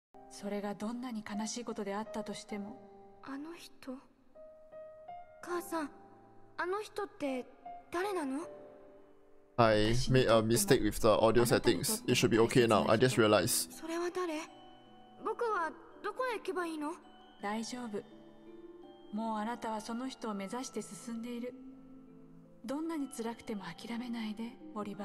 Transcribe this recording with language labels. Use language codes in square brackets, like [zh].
[ja] それがどんなに悲しいことであったとしてもあの人母さんあの人って誰なの [en] I made a mistake with the audio settings. It should be okay now. I just realized. [ja] それは誰僕はどこへ行けばいいの大丈夫もうあなたはその人を目指して進んでいるどんなに辛くても諦めないでオリバ